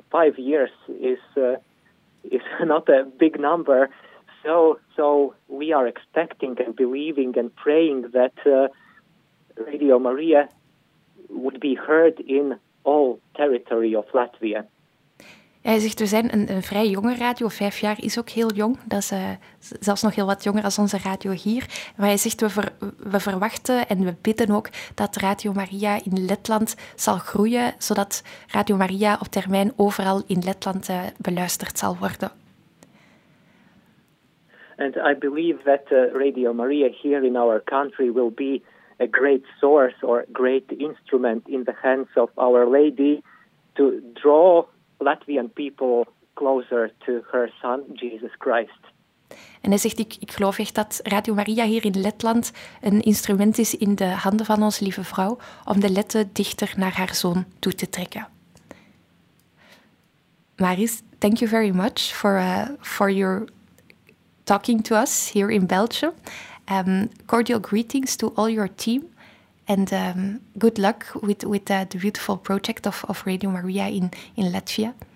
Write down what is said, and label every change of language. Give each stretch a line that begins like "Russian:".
English: 5 years is not a big number, so we are expecting and believing and praying that Radio Maria would be heard in all territory of Latvia.
Dutch: Hij zegt, we zijn een vrij jonge radio. 5 jaar is ook heel jong. Dat is zelfs nog heel wat jonger als onze radio hier. Maar hij zegt, we verwachten en we bidden ook dat Radio Maria in Letland zal groeien, zodat Radio Maria op termijn overal in Letland beluisterd zal worden.
English: And I believe that Radio Maria here in our country will be a great source or great instrument in the hands of Our Lady to draw Latvian people closer to her son, Jesus Christ.
Dutch: En hij zegt, ik geloof echt dat Radio Maria hier in Letland een instrument is in de handen van onze lieve vrouw om de Letten dichter naar haar zoon toe te trekken.
English: Maris, thank you very much for your talking to us here in Belgium. Cordial greetings to all your team. And good luck with the beautiful project of Radio Maria in Latvia.